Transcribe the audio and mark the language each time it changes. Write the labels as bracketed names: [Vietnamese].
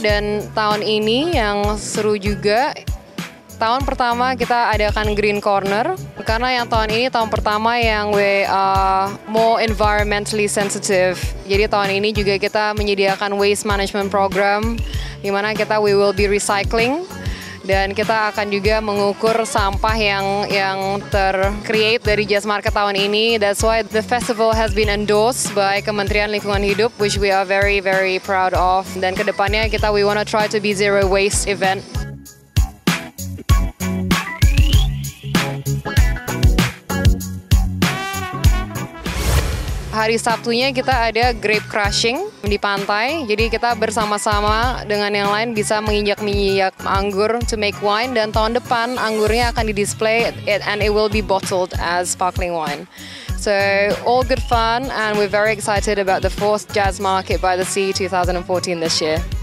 [Indonesian] Dan tahun ini yang seru juga, tahun pertama kita adakan Green Corner karena yang tahun ini tahun pertama yang [English] we are more environmentally sensitive. [Indonesian] Jadi tahun ini juga kita menyediakan [English] waste management program [Indonesian] di mana kita [English] we will be recycling [Indonesian] dan kita akan juga mengukur sampah yang ter-create dari Jazz Market tahun ini. [English] That's why the festival has been endorsed by Kementerian Lingkungan Hidup, which we are very very proud of. [Indonesian] Dan kedepannya kita [English] we wanna try to be zero waste event. [Indonesian] Hari Sabtunya kita ada grape crushing di pantai. Jadi kita bersama-sama dengan yang lain bisa menginjak-minjak anggur [English] to make wine. [Indonesian] Dan tahun depan anggurnya akan di-display [English] and it will be bottled as sparkling wine. So all good fun and we're very excited about the 4th Jazz Market by the Sea 2014 this year.